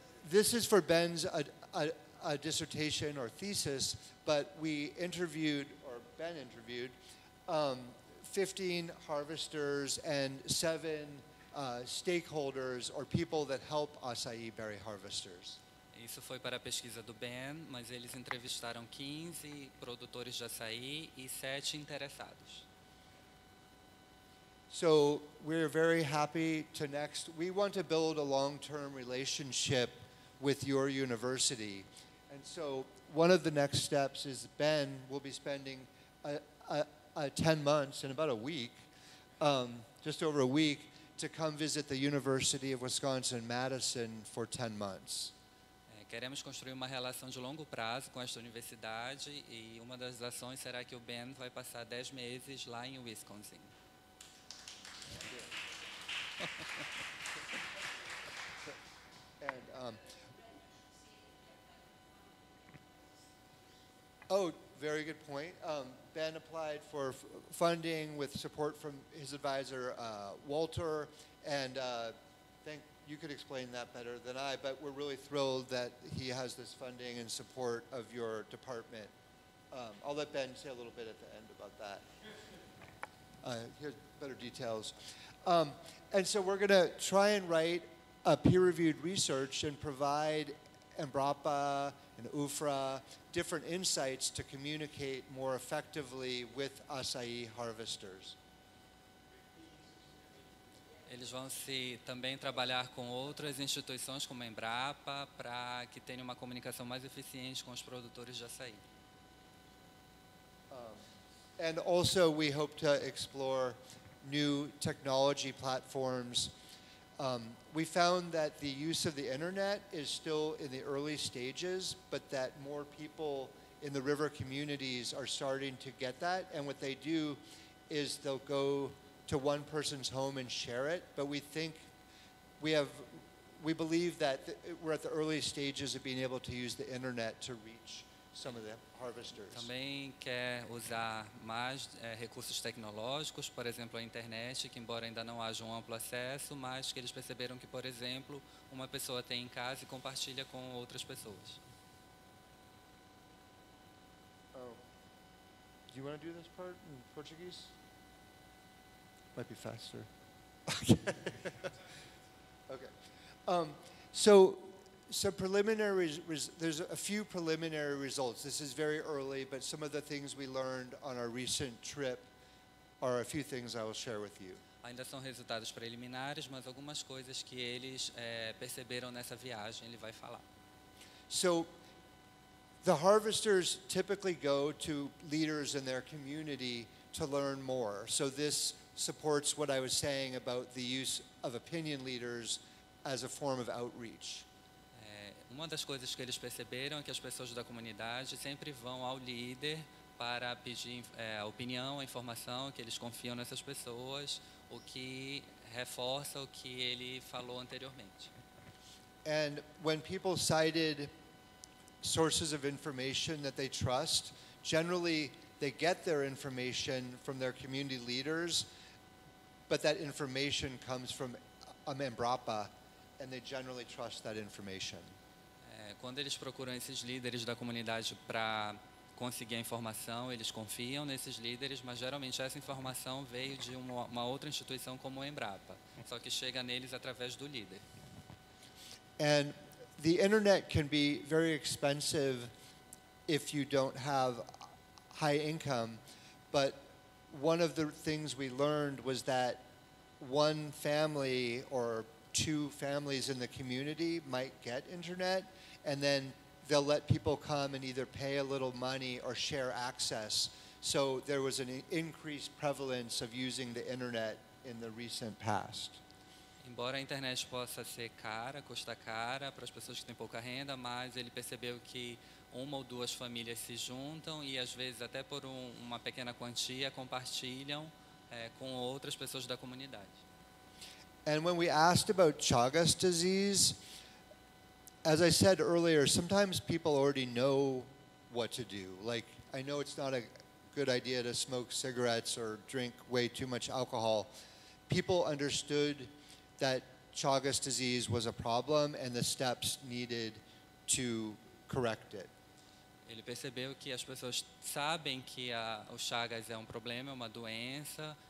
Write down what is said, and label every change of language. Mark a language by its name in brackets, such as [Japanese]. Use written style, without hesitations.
[English] This is for Ben's a dissertation or thesis, but we interviewed, or Ben interviewed, 15 harvesters and 7 stakeholders or people that help açaí berry harvesters. [Portuguese] Isso foi para a pesquisa do Ben, mas eles entrevistaram 15 produtores de açaí e 7 interessados. [English] So we're very happy to next. We want to build a long-term relationship with your university. And so one of the next steps is Ben will be spending 10 months in about a week, just over a week, to come visit the University of Wisconsin-Madison for 10 months. [Portuguese] Queremos construir uma relação de longo prazo com esta universidade e uma das ações será que o Ben vai passar 10 meses lá em Wisconsin. [English] Oh, very good point. Ben applied for funding with support from his advisor, Walter, and thank you could explain that better than I, but we're really thrilled that he has this funding and support of your department. I'll let Ben say a little bit at the end about that. Here's better details. And so we're going to try and write a peer-reviewed research and provide Embrapa and UFRA different insights to communicate more effectively with açaí harvesters. [Portuguese] Eles vão se também trabalhar com outras instituições como a Embrapa para que tenha uma comunicação mais eficiente com os produtores de açaí. [English] And also we hope to explore new technology platforms. We found that the use of the internet is still in the early stages, but that more people in the river communities are starting to get that. And what they do is they'll go to one person's home and share it. But we think we believe that we're at the early stages of being able to use the internet to reach some of the harvesters. [Portuguese] Também quer usar mais recursos tecnológicos, por exemplo, a internet, que embora ainda não haja um amplo acesso, mas que eles perceberam que, por exemplo, uma pessoa tem em casa e compartilha com outras pessoas. [English] Do you want to do this part in Portuguese? Might be faster. So preliminary, there's a few preliminary results. This is very early, but some of the things we learned on our recent trip are a few things I will share with you. [Portuguese] Ainda são resultados preliminares, mas algumas coisas que eles perceberam nessa viagem, ele vai falar. [English] So the harvesters typically go to leaders in their community to learn more. So this supports what I was saying about the use of opinion leaders as a form of outreach. [Portuguese] Uma das coisas que eles perceberam é que as pessoas da comunidade sempre vão ao líder para pedir opinião, a informação, que eles confiam nessas pessoas, o que reforça o que ele falou anteriormente. [English] And when people cited sources of information that they trust, generally they get their information from their community leaders, but that information comes from a Embrapa, and they generally trust that information. [Portuguese] Quando eles procuram esses líderes da comunidade para conseguir a informação, eles confiam nesses líderes, mas geralmente essa informação veio de uma outra instituição como a Embrapa, só que chega neles através do líder. [English] And the internet can be very expensive if you don't have high income, but one of the things we learned was that one family or two families in the community might get internet. And then they'll let people come and either pay a little money or share access. So there was an increased prevalence of using the internet in the recent past. [Portuguese] Embora a internet possa ser cara, custa cara para as pessoas que têm pouca renda, mas ele percebeu que uma ou duas famílias se juntam e às vezes até por uma pequena quantia compartilham com outras pessoas da comunidade. [English] And when we asked about Chagas disease, as I said earlier, sometimes people already know what to do. Like, I know it's not a good idea to smoke cigarettes or drink way too much alcohol. People understood that Chagas disease was a problem and the steps needed to correct it. [Portuguese] Ele percebeu que as pessoas sabem que o Chagas é um problema, é uma doença.